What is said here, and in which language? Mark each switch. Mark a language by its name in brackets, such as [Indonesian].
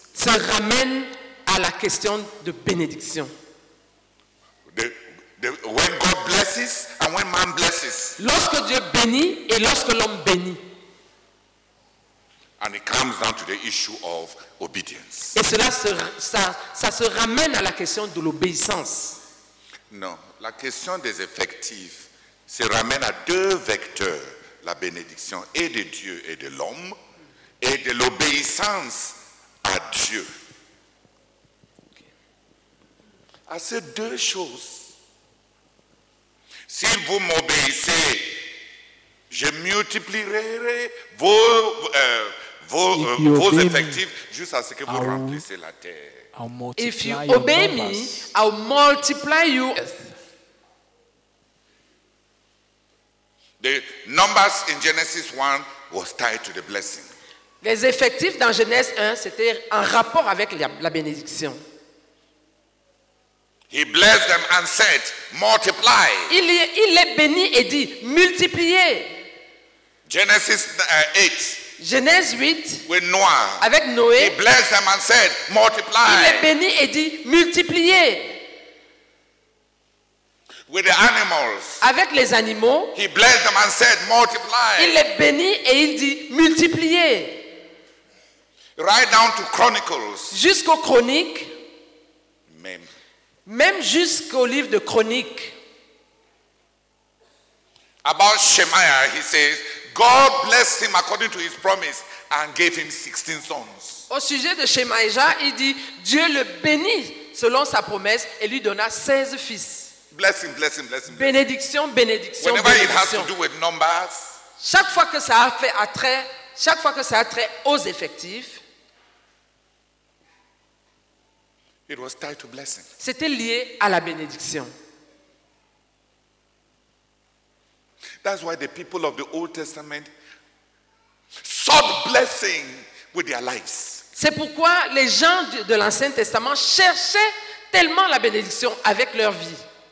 [French] Se ramène à la question de bénédiction. [English] When God blesses and when man blesses. [French] Lorsque Dieu bénit et lorsque l'homme bénit. [English] And it comes down to the issue of obedience. [French] Et cela se ramène à la question de l'obéissance. Non, la question des effectifs se ramène à deux vecteurs, la bénédiction et de Dieu et de l'homme, et de l'obéissance à Dieu. À ces deux choses, si vous m'obéissez, je multiplierai vos effectifs jusqu'à ce que vous remplissez la terre. [English] If you obey me, I'll multiply you. The numbers in Genesis 1 was tied to the blessing. [French] Les effectifs dans Genèse 1, c'était en rapport avec la bénédiction. [English] He blessed them and said, multiply. [French] Il les bénit et dit, multipliez. [English] Genesis 8. [French] Genèse 8 [English] with Noah, [French] avec Noé. [English] He blessed them and said, multiply. [French] Il les bénit et dit multipliez. [English] With the animals, [French] avec les animaux. [English] He blessed them and said, multiply. [French] Il les bénit et il dit multipliez. [English] Right down to Chronicles. [French] Jusqu'aux Chroniques. Même jusqu'au livre de Chroniques. [English] About Shemaiah, he says, God blessed him according to his promise and gave him 16 sons. [French] Au sujet de Shemaïja, il dit Dieu le bénit selon sa promesse et lui donna 16 fils. [English] Blessing, blessing, blessing. [French] Bénédiction, bénédiction, [English] whenever [French] bénédiction. [English] Whenever it has to do with numbers. [French] Chaque fois que ça a fait attrait, chaque fois que ça a trait aux effectifs. [English] It was tied to blessing. [French] C'était lié à la bénédiction. [English] That's why the people of the Old Testament sought blessing with their lives. [French] C'est pourquoi les gens de l'Ancien Testament cherchaient tellement la bénédiction avec leur vie.